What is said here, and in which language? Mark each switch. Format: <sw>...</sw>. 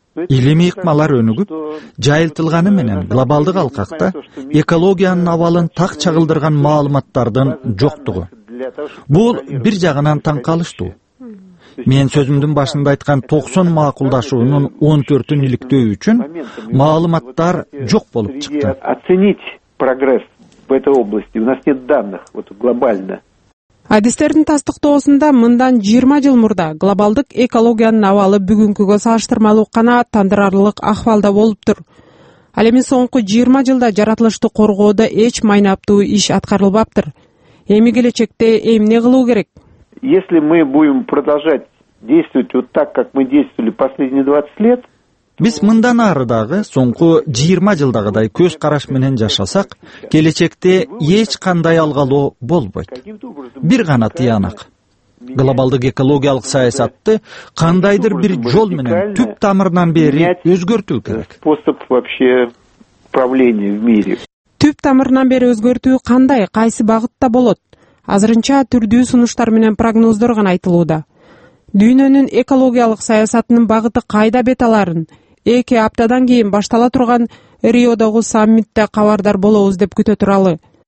<ky>Илимий ыкмалар өнүгүп, жайылтылганы менен глобалдык алкакта экологиянын абалын так чагылдырган маалыматтардын жоктугу. Бул бир жагынан таң калыштуу. Мен сөзүмдүн башында айткан 90 макулдашуунун 14-ун иликтөө үчүн маалыматтар жок болуп чыкты.</ky> <ru>Оценить прогресс в этой области. У нас нет данных глобально.</ru> <ky>Адистердин тастыктоосунда мындан 20 жыл мурда глобалдык экологиянын абалы бүгүнкүгө салыштырмалуу канааттандырарлык ахвалда болуптур. Ал эми соңку 20 жылда жаратылышты коргоодо эч майнаптуу иш аткарылбаптыр. Эми келечекте эмне кылуу керек?</ky> <ru>Если мы будем продолжать действовать вот так, как мы действовали последние 20 лет,</ru> <ky>биз мындан ары дагы соңку 20 жылдагыдай көз караш менен жашасак, келечекте эч кандай алгалоо болбойт. Бир гана тыянак. Глобалдык экологиялык саясатты кандайдыр бир жол менен түп тамырынан бери өзгөртүү керек.</ky> <ru>Способ вообще правления в мире.</ru> <ky>Түп тамырынан бери өзгөртүү кандай, кайсы багытта болот? Азырынча түрдүү сунуштар менен прогноздор гана айтылууда. Дүйнөнүн экологиялык саясатынын багыты кайда бет аларын? 2 аптадан кийин баштала турган Риодогу саммитте кабардар болобуз деп күтө туралы.</ky>